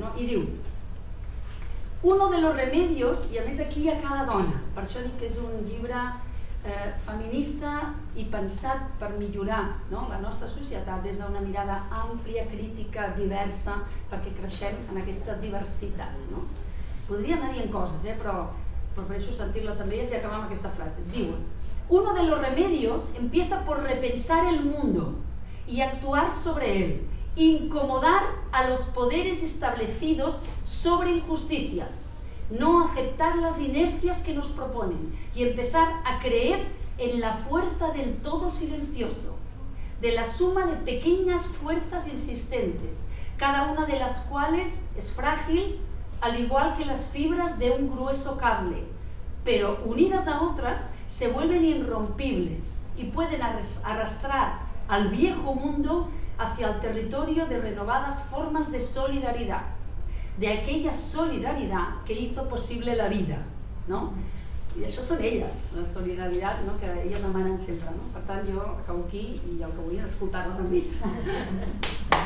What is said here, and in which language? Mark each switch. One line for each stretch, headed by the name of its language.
Catalan: No? I diu,
Spanish: uno de los remedios,
Catalan: i a més aquí hi ha cada dona, per això dic que és un llibre feminista i pensat per millorar, no, la nostra societat des d'una mirada àmplia, crítica, diversa, perquè creixem en aquesta diversitat. No? Podria anar dient coses, però prefereixo sentir-les amb elles i acabar amb aquesta frase. Diuen,
Spanish: uno de los remedios empieza por repensar el mundo y actuar sobre él, incomodar a los poderes establecidos sobre injusticias, no aceptar las inercias que nos proponen y empezar a creer en la fuerza del todo silencioso, de la suma de pequeñas fuerzas insistentes, cada una de las cuales es frágil, al igual que las fibras de un grueso cable, pero unidas a otras se vuelven irrompibles y pueden arrastrar al viejo mundo hacia el territorio de renovadas formas de solidaridad, de aquella solidaridad que hizo posible la vida, ¿no?
Catalan: I això són elles, la solidaritat, no? Que elles demanen sempre, no? Per tant, jo acabo aquí i el que vull és escoltar-les amb elles.